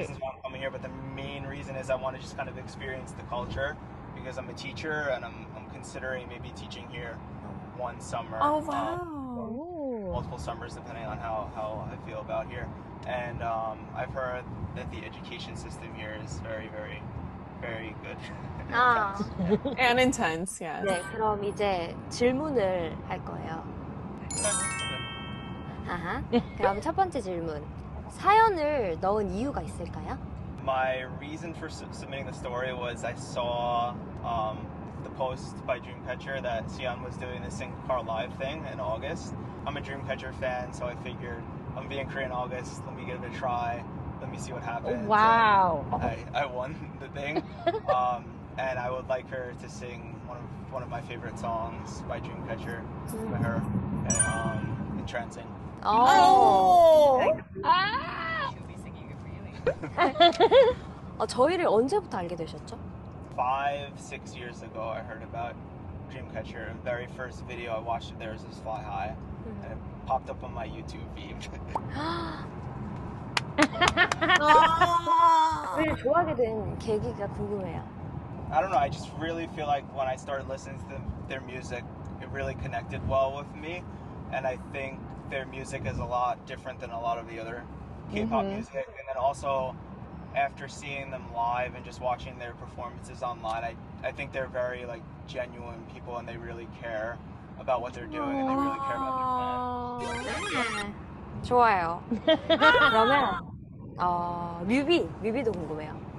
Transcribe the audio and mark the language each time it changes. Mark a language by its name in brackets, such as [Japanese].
[English] Reasons why I'm coming here, but the main reason is I want to just kind of experience the culture because I'm a teacher and I'm considering maybe teaching here one summer. Oh wow! Multiple summers depending on how I feel about here. And I've heard that the education system here is very, very, very good. And intense, yeah. And intense, [Korean] yes. 네, 그럼 이제 질문을 할 거예요. 아하. 그럼 첫 번째 질문. 사연을 넣은 이유가 있을까요? [English] My reason for submitting the story was I saw the post by Dreamcatcher that Siyeon was doing the Sing Car Live thing in August. I'm a Dreamcatcher fan, so I figured I'm being Korean in August, let me give it a try. let me see what happens. Wow. I won the thing. And I would like her to sing one of my favorite songs by Dreamcatcher for her and Trancing. Oh! She'll be singing it for you later. [Korean] 저희를 언제부터 알게 되셨죠? [English] 5-6 years ago, I heard about Dreamcatcher. The very first video I watched of theirs was Fly High. Mm-hmm. And it popped up on my YouTube feed. [Korean] 우리를 좋아하게 된 계기가 궁금해요. [English] I don't know, I just really feel like when I started listening to them, their music, it really connected well with me. And I think their music is a lot different than a lot of the other K-pop mm-hmm. music. And then also, after seeing them live and just watching their performances online, I think they're very like genuine people and they really care about what they're doing and they really care about their fans. [Korean] 좋아요. 그러면 뮤비도 궁금해요.